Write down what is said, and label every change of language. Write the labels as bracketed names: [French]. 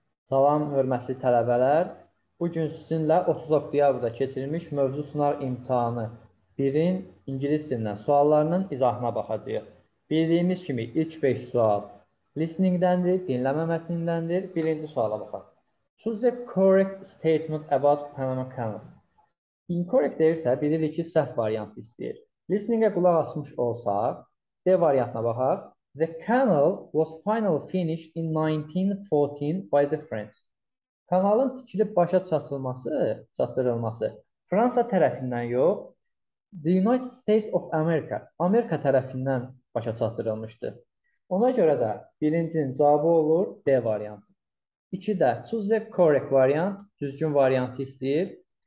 [Azerbaijani] Salam, hörmətli tələbələr. Bugün sizinlə 30 oktyabrda keçirilmiş mövzu sınav imtahanı 1-in ingilis dilindən suallarının izahına baxacağıq. Bildiyimiz kimi ilk 5 sual listeningdəndir, dinləmə mətnindəndir. Birinci suala baxaq. [English] Choose the correct statement about Panama Canal. Incorrect [Azerbaijani] deyirsə, bilirik ki, səhv variantı istəyir. Listeningə qulaq asmış olsaq, D variantına baxaq. [English] The canal was finally finished in 1914 by the French. [Azerbaijani] Kanalın tikilib başa çatdırılması Fransa tərəfindən yox, The United States of America, Amerika tərəfindən başa çatdırılmışdı. Ona görə də birincinin cavabı olur D variantı. 2-də [English] choose the correct variant, [Azerbaijani] düzgün variantı istəyir.